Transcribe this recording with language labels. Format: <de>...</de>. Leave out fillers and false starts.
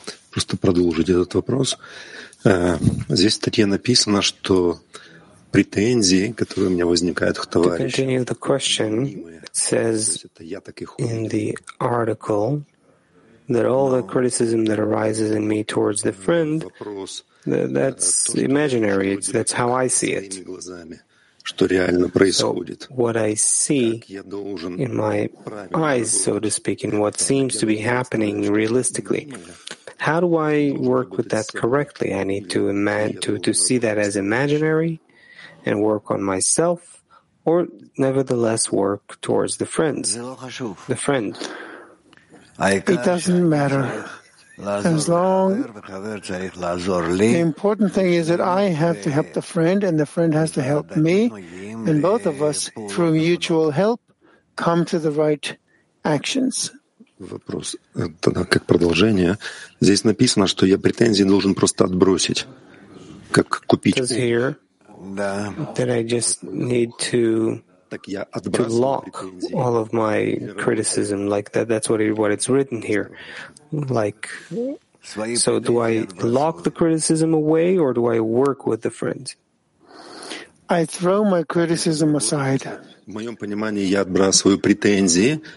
<ru>Просто продолжить этот вопрос. Здесь в статье написано, что претензии, которые у меня возникают к товарищу.</ru> <en>To continue the question, it says in the article that all the criticism that arises in me towards the friend, that's imaginary, that's how I see it.</en> <ru>Что реально происходит.</ru> <en>So what I see in my eyes, so to speak, and what seems to be happening realistically. How do I work with that correctly? I need to see that as imaginary and work on myself, or nevertheless work towards the friends. The friend. It doesn't matter. As long as the important thing is that I have to help the friend and the friend has to help me, and both of us, through mutual help, come to the right actions.</en> <ru>Вопрос. Тогда как продолжение. Здесь написано, что я претензии должен просто отбросить, как купить.</ru> <en>It says here that I just need to lock all of my criticism like that. That's what it's written here. Like, so do I lock the criticism away or do I work with the friend? I throw my criticism aside.</en> <ru>В моем понимании я отбрасываю претензии.</ru>